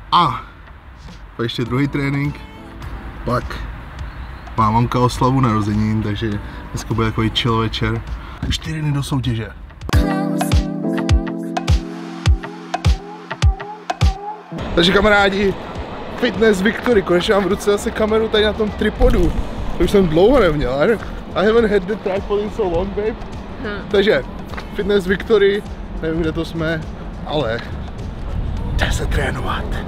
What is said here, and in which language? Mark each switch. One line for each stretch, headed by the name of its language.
Czech: A pak ještě druhý trénink, pak má mamka oslavu narozenin, takže dneska bude takový chill večer. 4 dny do soutěže. Takže kamarádi, Fitness Victory, konečně mám v ruce zase kameru tady na tom tripodu. To už jsem dlouho neměl, ne?
English: I haven't had the tripod in so long, babe.
Czech: Takže, Fitness Victory, nevím kde to jsme, ale jde se trénovat.